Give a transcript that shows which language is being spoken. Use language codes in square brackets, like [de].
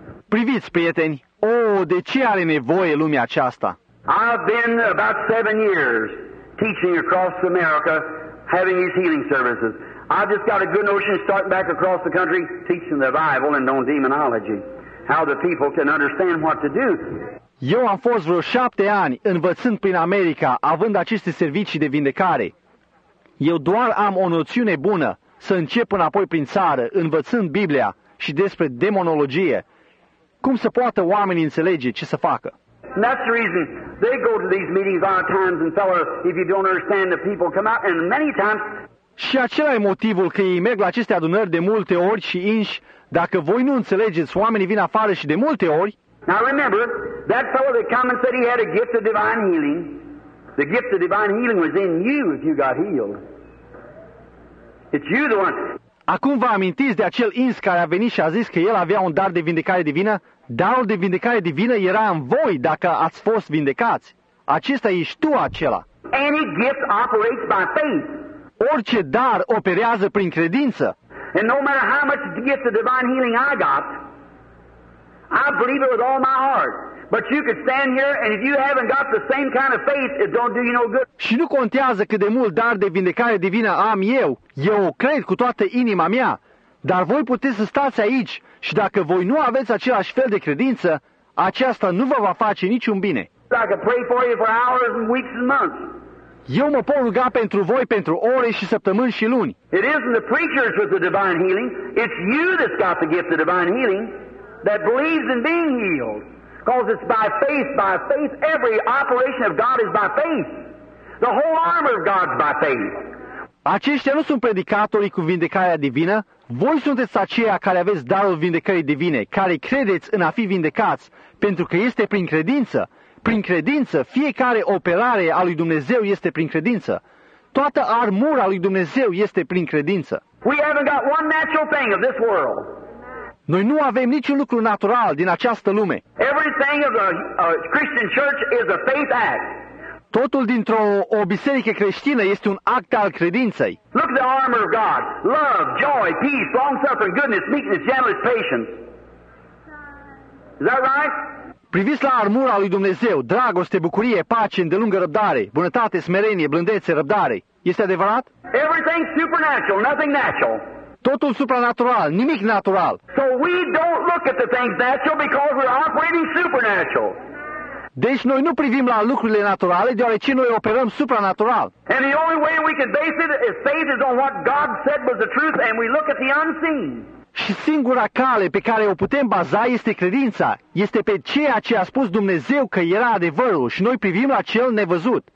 [ro] Priviți, prieteni. Oh, de ce are nevoie lumea aceasta? [en] I've been about 7 years teaching across America, having these healing services. I just got a good notion starting back across the country teaching the Bible and on demonology, how the people can understand what to do. [ro] Eu am fost vreo 7 ani învățând prin America, având aceste servicii de vindecare. Eu doar am o noțiune bună să încep înapoi prin țară, învățând Biblia și despre demonologie. Cum se poate oamenii înțelege ce să facă? [en] And that's the reason they go to these meetings a lot of times and tell her, if you don't understand, the people come out, and many times... [ro] Și acela e motivul că ei merg la aceste adunări de multe ori și inși, dacă voi nu înțelegeți, oamenii vin afară și de multe ori... [en] Now remember, that fellow that came and said he had a gift of divine healing, the gift of divine healing was in you if you got healed. It's you the one... [ro] Acum vă amintiți de acel ins care a venit și a zis că el avea un dar de vindecare divină? Darul de vindecare divină era în voi dacă ați fost vindecați. Acesta ești tu acela. [en] Any gift operates by faith. [ro] Orice dar operează prin credință. [en] And no matter how much gift of divine healing I got, I believe it with all my heart. But you could stand here and if you haven't got the same kind of faith, it don't do you no good. [ro] Și nu contează cât de mult dar de vindecare divină am eu. Eu o cred cu toată inima mea. Dar voi puteți să stați aici și dacă voi nu aveți același fel de credință, aceasta nu vă va face niciun bine. [en] I could pray for you for hours and weeks and months. [ro] Eu mă pot ruga pentru voi pentru ore și săptămâni și luni. [en] It isn't the preachers with the divine healing. It's you that's got the gift of divine healing that believes in being healed. Because it's by faith, every operation of God is by faith. The whole armor of God's by faith. [ro] Aceștia nu sunt predicatorii cu vindecarea divină. Voi sunteți aceia care aveți darul vindecării divine, care credeți în a fi vindecați, pentru că este prin credință. Prin credință, fiecare operare a lui Dumnezeu este prin credință. Toată armura lui Dumnezeu este prin credință. [en] We haven't got one natural thing of this world. [ro] Noi nu avem niciun lucru natural din această lume. [en] Everything of a Christian church is a faith act. [ro] Totul dintr-o o biserică creștină este un act al credinței. [en] Look at the armor of God. Love, joy, peace, long-suffering, goodness, meekness, gentleness, patience. Is that right? [ro] Priviți la armura lui Dumnezeu, dragoste, bucurie, pace, îndelungă răbdare, bunătate, smerenie, blândețe, răbdare. Este adevărat? [en] Everything supernatural, nothing natural. [ro] Totul supranatural, nimic natural. [en] So we don't look at the things natural because we're operating supernatural. [ro] Deci noi nu privim la lucrurile naturale, deoarece noi operăm supranatural. [en] And the only way we can base it is faith is on what God said was the truth and we look at the unseen. [ro] Și singura cale pe care o putem baza este credința. Este pe ceea ce a spus Dumnezeu că era adevărul și noi privim la cel nevăzut.